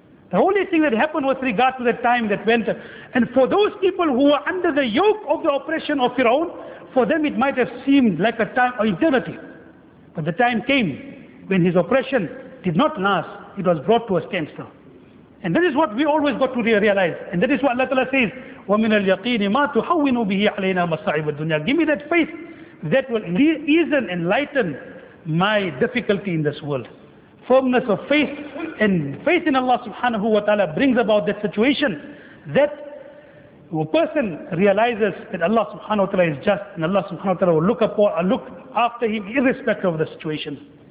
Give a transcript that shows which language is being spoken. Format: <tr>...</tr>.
<en>The only thing that happened with regard to the time that went, and for those people who were under the yoke of the oppression of Fir'aun, for them it might have seemed like a time or eternity. But the time came when his oppression did not last, it was brought to a standstill. And that is what we always got to realize. And that is what Allah Ta'ala says,</en> <ar>وَمِنَ الْيَقِينِ مَا تُحَوِّنُ بِهِ عَلَيْنَا مَصَعِبَ الدُّنْيَا.</ar> <en>Give me that faith that will ease and enlighten my difficulty in this world. Firmness of faith and faith in Allah subhanahu wa ta'ala brings about that situation that a person realizes that Allah subhanahu wa ta'ala is just and Allah subhanahu wa ta'ala will look after him irrespective of the situation.</en>